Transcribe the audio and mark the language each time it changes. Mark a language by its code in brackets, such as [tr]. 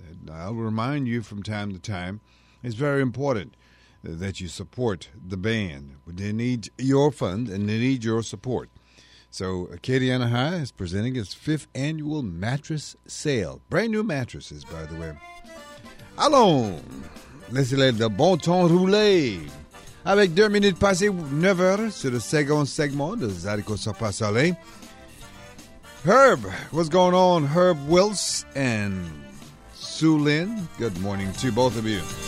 [en] I'll remind you from time to time, it's very important that you support the band. They need your funds and they need your support. So Acadiana High is presenting its fifth annual mattress sale. Brand new mattresses, by the way. [fr] Allons, laissez le bon temps rouler. Avec 2 minutes passées, 9 heures, sur le second segment de Zadiko Sopasale. [en] Herb, what's going on? Herb Wills and Sue Lynn, good morning to both of you.